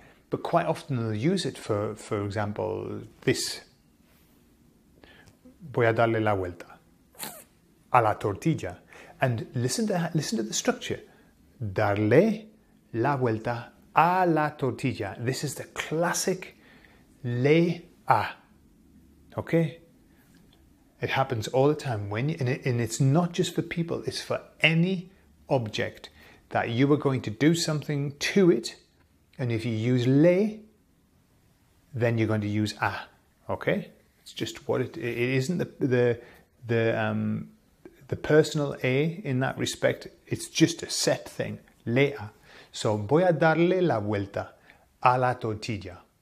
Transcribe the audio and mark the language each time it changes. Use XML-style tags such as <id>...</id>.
<en>But quite often they'll use it for example, this.</en> <es>Voy a darle la vuelta a la tortilla.</es> <en>And listen to the structure.</en> <es>Darle la vuelta a la tortilla.</es> <en>This is the classic le a. Okay? It happens all the time. And it's not just for people. It's for any object that you are going to do something to it. And if you use le, then you're going to use a. Okay? It's just what it is. It isn't the personal a in that respect. It's just a set thing. Le a.</en> <es>So voy a darle la vuelta a la tortilla.</es>